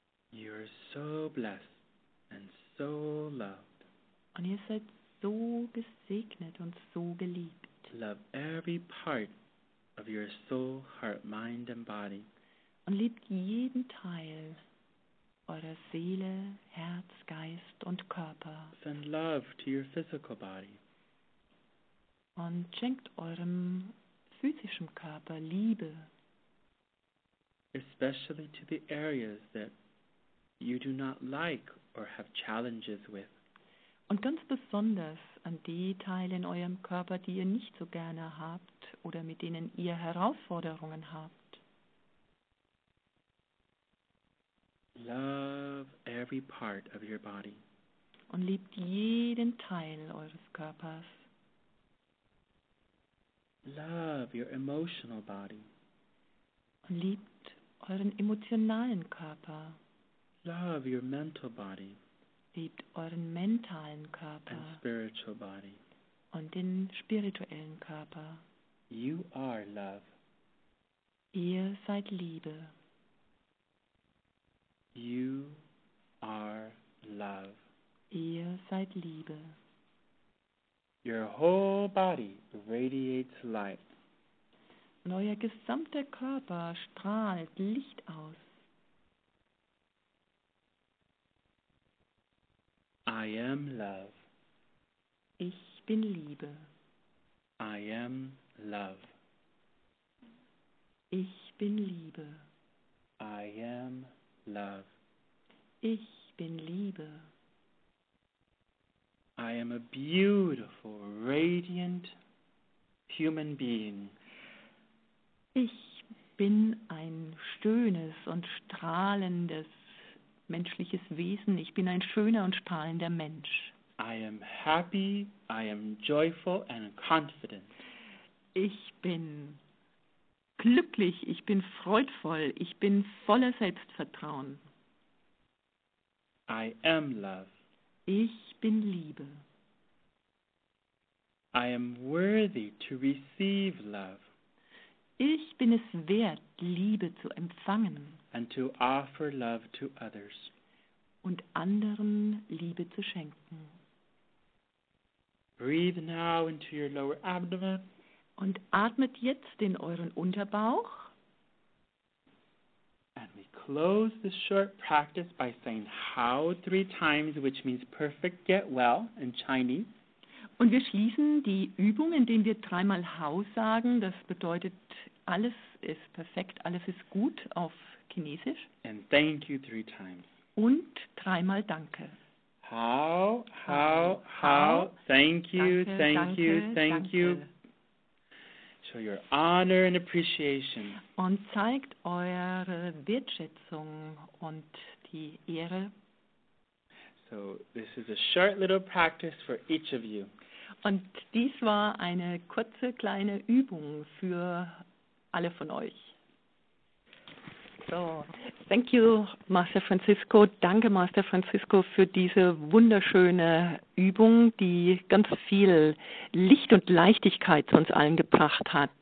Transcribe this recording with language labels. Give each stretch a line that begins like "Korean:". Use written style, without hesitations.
English: You are so blessed and so loved.
German: Und ihr seid so gesegnet und so geliebt.
English: Love every part of your soul, heart, mind and body.
German: Und liebt jeden Teil eurer Seele, Herz, Geist und Körper.
English: Send love to your physical body.
German: Und schenkt eurem physischen Körper Liebe.
English: Especially to the areas that you do not like or have challenges with.
German: Und ganz besonders an die Teile in eurem Körper, die ihr nicht so gerne habt oder mit denen ihr Herausforderungen habt.
English: Love every part of your body.
German: Und liebt jeden Teil eures Körpers.
English: Love your emotional body.
German: Und liebt euren emotionalen Körper.
English: Love your mental body.
German: Liebt euren mentalen Körper
English: and spiritual body.
German: Und den spirituellen Körper.
English: You are love.
German: Ihr seid Liebe.
English: You are love.
German: Ihr seid Liebe.
English: Your whole body radiates light.
German: Und euer gesamter Körper strahlt Licht aus.
English: I am love.
German: Ich bin Liebe.
English: I am love.
German: Ich bin Liebe.
English: I am love.
German: Ich bin Liebe.
English: I am a beautiful, radiant human being.
German: Ich bin ein schönes und strahlendes menschliches Wesen. Ich bin ein schöner und strahlender Mensch.
English: I am happy, I am joyful and confident.
German: Ich bin glücklich, ich bin freudvoll, ich bin voller Selbstvertrauen.
English: I am love.
German: Ich bin Liebe.
English: I am worthy to receive love.
German: Ich bin es wert, Liebe zu empfangen.
English: And to offer love to others.
German: Und anderen Liebe zu schenken.
English: Breathe now into your lower abdomen.
German: Und atmet jetzt in euren Unterbauch.
English: And we close this short practice by saying how three times, which means perfect get well in Chinese.
German: Und wir schließen die Übung, indem wir dreimal hau sagen. Das bedeutet, alles ist perfekt, alles ist gut auf Chinesisch.
English: And thank you three times.
German: Und dreimal danke.
English: Hao, hao, hao, thank you,
German: danke,
English: thank
German: danke,
English: you, thank
German: danke.
English: You. Show your honor and appreciation.
German: Und zeigt eure Wertschätzung und die Ehre.
English: So this is a short little practice for each of you.
German: Und dies war eine kurze kleine Übung für alle von euch.
English: So, thank you, Master Francisco.
German: Danke, Master Francisco, für diese wunderschöne Übung, die ganz viel Licht und Leichtigkeit zu uns allen gebracht hat.